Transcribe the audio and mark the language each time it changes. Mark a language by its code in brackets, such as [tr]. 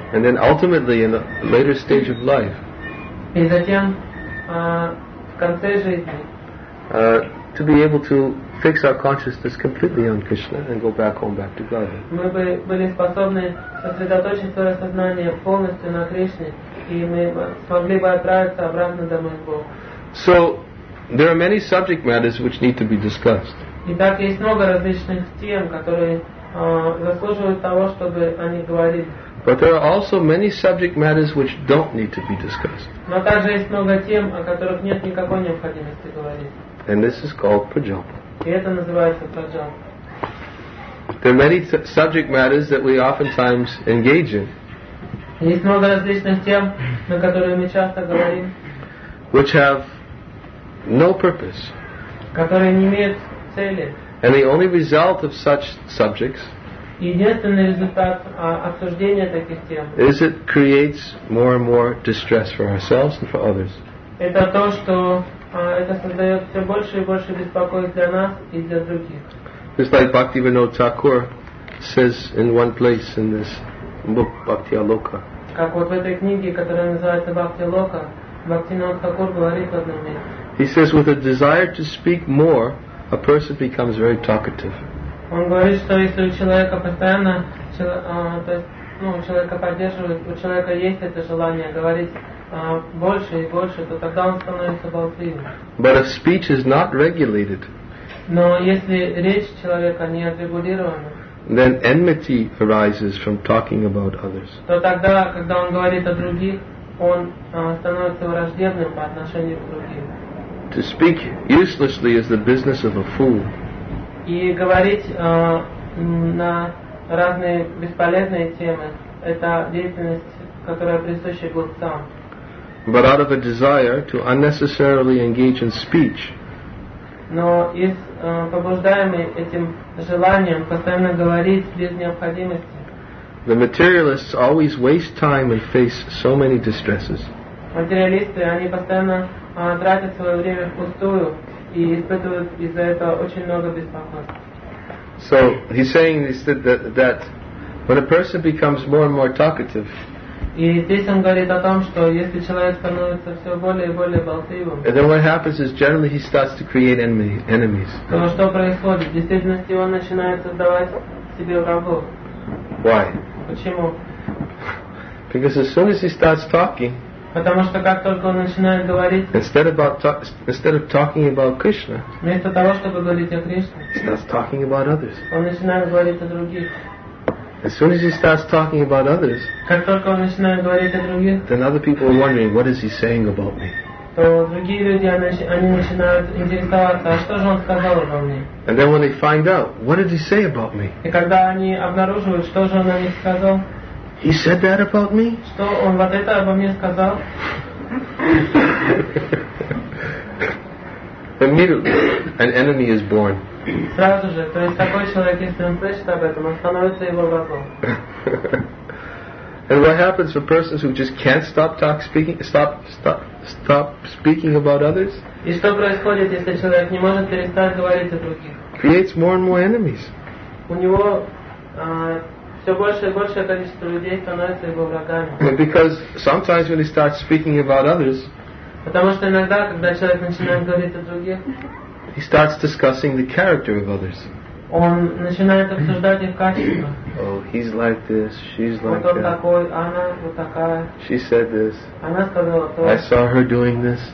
[en] And then ultimately in a later stage of life. [ru] И затем в конце жизни. [en] To be able to fix our consciousness completely on Krishna and go back home, back to Godhead. [ru] Мы были способны сосредоточить свое сознание полностью на Кришне, и мы смогли бы отправиться обратно домой к Богу. [en] So, there are many subject matters which need to be discussed. [ru] Итак, есть много различных тем, которые заслуживают того, чтобы о них говорили. [en] But there are also many subject matters which don't need to be discussed. [ru] Но также есть много тем, о которых нет никакой необходимости говорить. [en] And this is called prajapa. [ru] И это называется праджапа. [en] There are many subject matters that we oftentimes engage in. [ru] Есть много различных тем, на которые мы часто говорим. [en] Which have no purpose. [ru] Которые не имеют цели. [en] And the only result of such subjects. [ru] Единственный результат обсуждения таких тем. [en] Is it creates more and more distress for ourselves and for others. [ru] Это то, что это создает все больше и больше беспокойств для нас и для других. [en] Just like Bhaktivinoda Thakur says in one place in this book, Bhakti Aloka. [ru] Как вот в этой книге, которая называется Bhakti Aloka, Bhaktivinoda Thakur говорит в одном месте. [en] He says, with a desire to speak more, a person becomes very talkative. [ru] Он говорит, что если у человека постоянно, у человека поддерживает, у человека есть это желание говорить больше и больше, то тогда он становится болтливым. [en] But if speech is not regulated, [ru] но если речь человека не отрегулирована, [en] then enmity arises from talking about others. [ru] То тогда, когда он говорит о других, он становится враждебным по отношению к другим. [en] To speak uselessly is the business of a fool. [ru] И говорить на разные бесполезные темы – это деятельность, которая присуща глупцам. [en] But out of a desire to unnecessarily engage in speech. [ru] Но из побуждаемый этим желанием постоянно говорить без необходимости. [en] The materialists always waste time and face so many distresses. [ru] Материалисты, они постоянно тратят свое время впустую и испытывают из-за этого очень много беспокойств. [en] So he's saying this, that when a person becomes more and more talkative. [ru] И здесь он говорит о том, что если человек становится все более и более болтливым, [en] and then what happens is generally he starts to create enemies. [ru] То что происходит? В действительности он начинает создавать себе врагов. [en] Why? [ru] Почему? [en] Because as soon as he starts talking, [ru] Потому что как только он начинает говорить, [en] instead of talking about Krishna, [ru] вместо того чтобы говорить о Кришне, [en] he starts talking about others. [ru] Он начинает говорить о других. [en] As soon as he starts talking about others, [ru] как только он начинает говорить о других, [en] then other people are wondering, what is he saying about me? [ru] То другие люди, они начинают интересоваться, а что же он сказал обо мне? [en] And then when they find out, what did he say about me? [ru] И когда они обнаруживают, что же он о них сказал? [en] He said that about me? [ru] Что он вот это обо мне сказал? [en] Immediately, an enemy is born. [ru] Сразу же, то есть такой человек, если он слышит об этом, он становится его врагом. [en] And what happens for persons who just can't stop speaking about others? [ru] И что происходит, если человек не может перестать говорить о других? [en] Creates more and more enemies. [ru] У него все больше и большее количество людей становится его врагами. [en] Because sometimes when he starts speaking about others, [ru] потому что иногда, когда человек начинает говорить о других, [en] he starts discussing the character of others. [ru] Он начинает обсуждать их качества. [en] Oh, he's like this, she's [ru] вот [en] like that. [ru] Такой, она вот такая. [en] She said this. [ru] Она сказала то. [en] I saw her doing this.